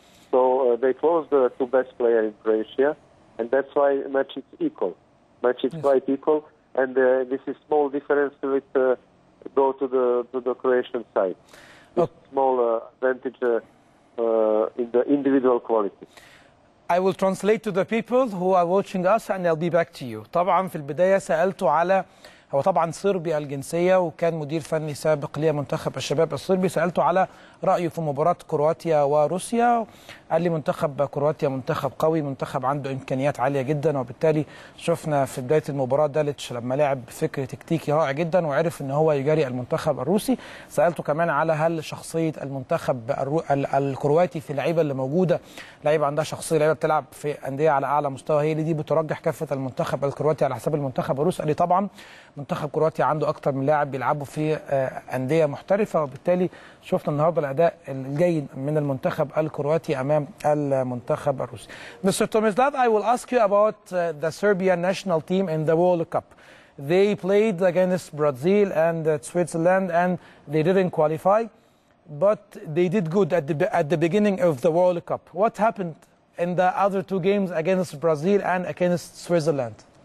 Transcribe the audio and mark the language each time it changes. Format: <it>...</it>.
<en>So they close the two best players in Croatia, and that's why match is equal. Match is yes. quite equal, and this is small difference with. Go to the Croatian side. Okay. Small advantage in the individual quality. I will translate to the people who are watching us and I'll be back to you.</en> <ar>طبعا في البداية سألته على هو طبعا صربي الجنسية وكان مدير فني سابق لمنتخب الشباب الصربي، سألته على رأيه في مباراة كرواتيا وروسيا، قال لي منتخب كرواتيا منتخب قوي، منتخب عنده إمكانيات عالية جدا، وبالتالي شفنا في بداية المباراة دالتش لما لعب بفكر تكتيكي رائع جدا وعرف إن هو يجاري المنتخب الروسي. سألته كمان على هل شخصية المنتخب الكرواتي في اللعيبة اللي موجودة، لعيبة عندها شخصية، لعيبة بتلعب في أندية على أعلى مستوى، هي اللي دي بترجح كفة المنتخب الكرواتي على حساب المنتخب الروسي؟ قال لي طبعا منتخب كرواتيا عنده أكثر من لاعب بيلعبوا في أندية محترفة، وبالتالي شفنا النهاردة الأداء الجيد من المنتخب الكرواتي أمام المنتخب الروسي.</ar> <en>Mr. Tomislav, I will ask you about the Serbian national team in the World Cup. They played against Brazil and Switzerland and they didn't qualify, but they did good at the beginning of the World Cup. What happened in the other two games against Brazil and against Switzerland?</en>